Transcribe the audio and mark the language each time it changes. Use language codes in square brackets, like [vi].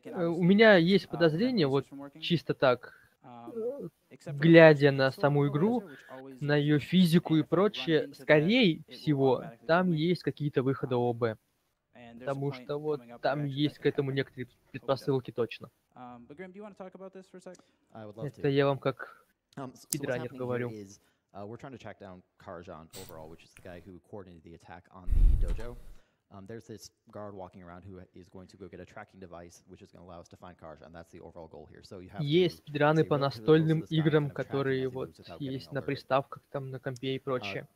[ru] У меня есть подозрение, вот чисто так, глядя на саму игру, на ее физику и прочее, скорее всего, там есть какие-то выходы ОБ. Потому что вот там есть к этому некоторые предпосылки точно. Это я вам как спидранер говорю. [en] We're trying to track down Karjan overall, which is the guy who coordinated the attack on the dojo. There's this guard walking around who is going to go get a tracking device, which is going to allow us to find Karjan. That's the overall goal here. So you have. [ru] Есть спидраны по настольным играм, которые вот есть на приставках, там на компе и прочее.